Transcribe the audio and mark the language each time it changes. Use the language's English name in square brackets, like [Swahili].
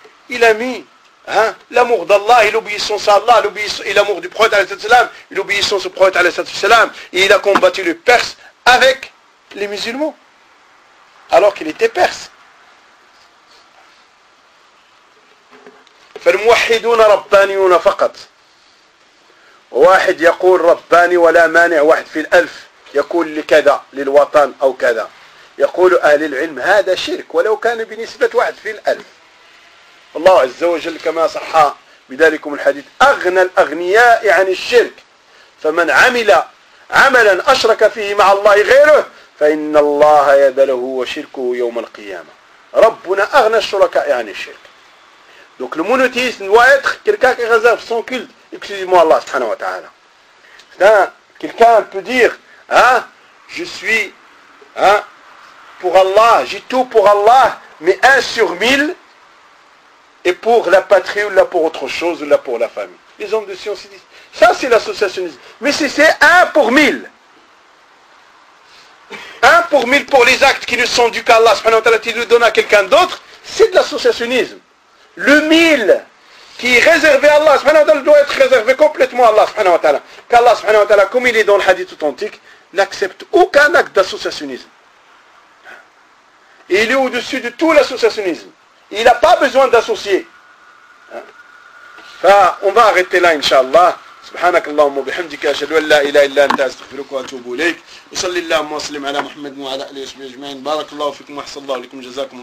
[French] Il a mis l'amour d'Allah et l'obéissance à Allah, et l'amour du prophète, alayhi sallam, et l'obéissance au prophète, alayhi sallam. Et il a combattu les Perses avec les musulmans, alors qu'il était Perse. [Arabic] فَالْمُوَحِّدُونَ رَبَّانِيُونَ فَقَطْ وَاحِدْ يَقُولْ رَبَّانِي وَلَا مَانِعْ وَاحِدْ فِي الْأَلْفْ يقول لكذا للوطن أو كذا يقول أهل العلم هذا شرك ولو كان بنسبة واحد في الألف الله عز وجل كما صح بذلكم الحديث أغنى الأغنياء عن الشرك فمن عمل عملا أشرك فيه مع الله غيره فإن الله يبله وشركه يوم القيامة ربنا أغنى الشركاء عن الشرك [French] Donc le monothéisme doit être quelqu'un qui réserve son culte exclusivement à Allah subhanahu wa ta'ala. Quelqu'un peut dire, hein, je suis pour Allah, j'ai tout pour Allah, mais 1 sur 1000 est pour la patrie ou là pour autre chose, ou là pour la famille. Les hommes de science disent, ça c'est l'associationnisme. Mais si c'est 1 pour 1000, 1 pour 1000 pour les actes qui ne sont dus qu'à Allah subhanahu wa ta'ala, qui le donne à quelqu'un d'autre, c'est de l'associationnisme. Le 1000 qui est réservé à Allah subhanahu wa ta'ala doit être réservé complètement à Allah subhanahu wa ta'ala. Qu'Allah subhanahu wa ta'ala, comme il est dans le hadith authentique, n'accepte aucun acte d'associationnisme. Et il est au-dessus de tout l'associationnisme. Il n'a pas besoin d'associer. On va arrêter là, inshallah. [Arabic] سبحانك اللهم وبحمدك اشهد ان لا اله الا انت استغفرك واتوب اليك وصلي اللهم وسلم على محمد وعلى اله وصحبه اجمعين بارك الله فيكم واحسن الله لكم جزاكم الله